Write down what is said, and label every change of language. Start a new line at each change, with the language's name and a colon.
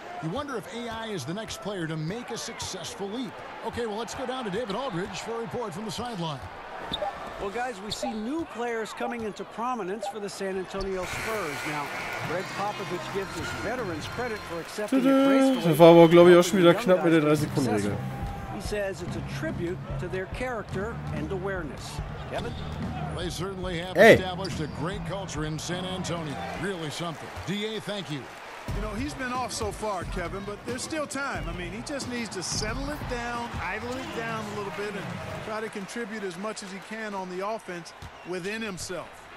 English: You wonder if AI is the next player to make a successful leap. Okay, well, let's go down to David Aldridge for a report from the sideline. Well, guys, we see new players coming into prominence for the San Antonio Spurs. Now, Greg Popovich gives his veterans credit for accepting the race.
German: Das war aber, glaube ich, auch schon wieder knapp mit der 3-Sekunden-Regel.
English: He says it's a tribute to their character and awareness. Kevin? They certainly have established a great culture in San Antonio. Really something. DA, thank you. You know, he's been off so far, Kevin, but there's still time. I mean, he just needs to settle it down, idle it down a little bit, and try to contribute as much as he can on the offense within himself.